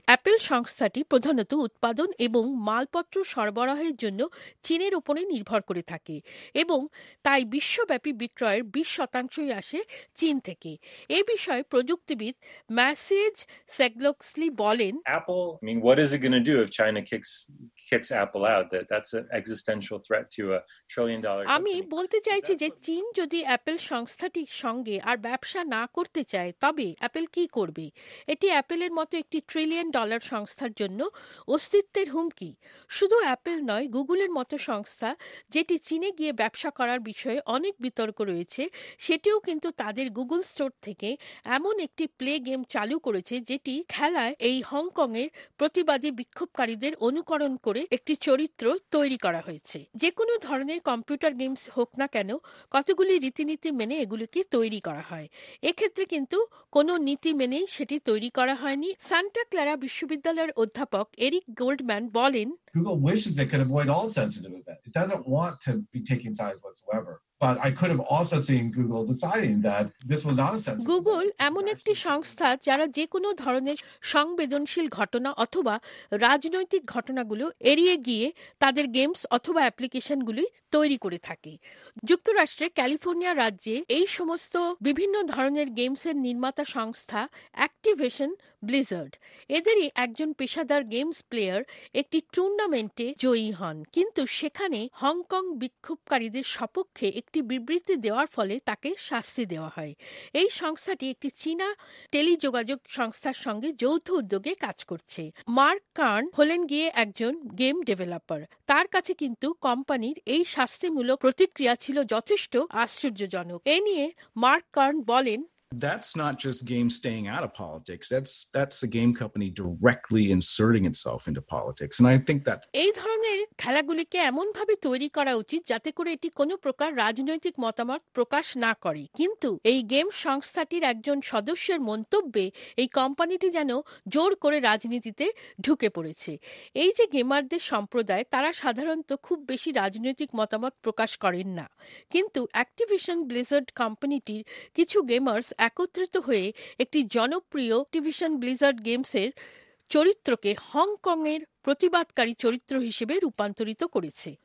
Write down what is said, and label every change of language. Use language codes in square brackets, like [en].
[bn] Apple সংস্থাটি প্রধানত উৎপাদন এবং মালপত্র সরবরাহের জন্য চীনের উপরে নির্ভর করে থাকে এবং তাই বিশ্বব্যাপী বিক্রয়ের 20% আসে চীন থেকে। এ বিষয়ে প্রযুক্তিবিদ ম্যাসেজ সেগলক্সলি বলেন, [en] Apple, I mean, what is it going to do if China kicks Apple out? That's an existential threat to a $1 trillion company. [bn] আমি বলতে চাইছি যে চীন যদি অ্যাপেল সংস্থাটির সঙ্গে আর ব্যবসা না করতে চায় তবে অ্যাপেল কি করবে? এটি অ্যাপেলের মতো একটি $1 trillion সংস্থার জন্য অস্তিত্বের হুমকি। শুধু অ্যাপেল নয়, গুগলের মতো সংস্থা যেটি চীনে গিয়ে ব্যবসা করার বিষয়ে অনেক বিতর্ক রয়েছে সেটিও কিন্তু তাদের গুগল স্টোর থেকে এমন একটি প্লে গেম চালু করেছে যেটি খেলায় এই হংকংয়ের প্রতিবাদী বিক্ষোভকারীদের অনুকরণ করে একটি চরিত্র তৈরি করা হয়েছে। যে কোনো ধরনের কম্পিউটার গেমস হোক না কেন, কতগুলি রীতিনীতি মেনে এগুলিকে তৈরি করা হয়। এক্ষেত্রে কিন্তু কোনো নীতি মেনেই সেটি তৈরি করা হয়নি। সান্টা ক্লারা বিশ্ববিদ্যালয়ের অধ্যাপক এরিক গোল্ডম্যান বলেন, [en] Google wishes it could avoid all sensitive events. It doesn't want to be taking sides whatsoever. But I could have also seen Google deciding that this was not a sensitive Google event. [bn] এমন একটি সংস্থা যারা যে কোনো ধরনের সংবেদনশীল ঘটনা অথবা রাজনৈতিক ঘটনাগুলো এড়িয়ে গিয়ে তাদের গেমস অথবা অ্যাপ্লিকেশনগুলি তৈরি করে থাকে। যুক্তরাষ্ট্রের ক্যালিফোর্নিয়া রাজ্যে এই সমস্ত বিভিন্ন ধরনের গেমসের নির্মাতা সংস্থা অ্যাক্টিভেশন ব্লিজার্ড, এদেরই একজন পেশাদার গেমস প্লেয়ার একটি টুর্নামেন্টে জয়ী হন, কিন্তু সেখানে হংকং বিক্ষোভকারীদের সপক্ষে একটি বিবৃতি দেওয়ার ফলে তাকে শাস্তি দেওয়া হয়। এই সংস্থাটি একটি চীনা টেলিযোগাযোগ সংস্থার সঙ্গে যৌথ উদ্যোগে কাজ করছে। মার্ক কার্ন হলেন গিয়ে একজন গেম ডেভেলপার, তার কাছে কিন্তু কোম্পানির এই শাস্তিমূলক প্রতিক্রিয়া ছিল যথেষ্ট আশ্চর্যজনক। এ নিয়ে মার্ক কার্ন বলেন, [en] That's not just game staying out of politics. That's the game company directly inserting itself into politics. And I think that [bn] এই ধরনের খেলাগুলিকে এমন ভাবে তৈরি করা উচিত যাতে করে এটি কোনো প্রকার রাজনৈতিক মতামত প্রকাশ না করে। কিন্তু এই গেম সংস্থাটির একজন সদস্যের মন্তব্যে এই কোম্পানিটি যেন জোর করে রাজনীতিতে ঢুকে পড়েছে। এই যে গেমারদের সম্প্রদায়, তারা সাধারণত খুব বেশি রাজনৈতিক মতামত প্রকাশ করেন না, কিন্তু অ্যাক্টিভিশন ব্লিজার্ড কোম্পানিটির কিছু গেমার একত্রিত হয়ে একটি জনপ্রিয় অ্যাক্টিভিশন ব্লিজার্ড গেমসের চরিত্রকে হংকং এর প্রতিবাদকারী চরিত্র হিসেবে রূপান্তরিত করেছে।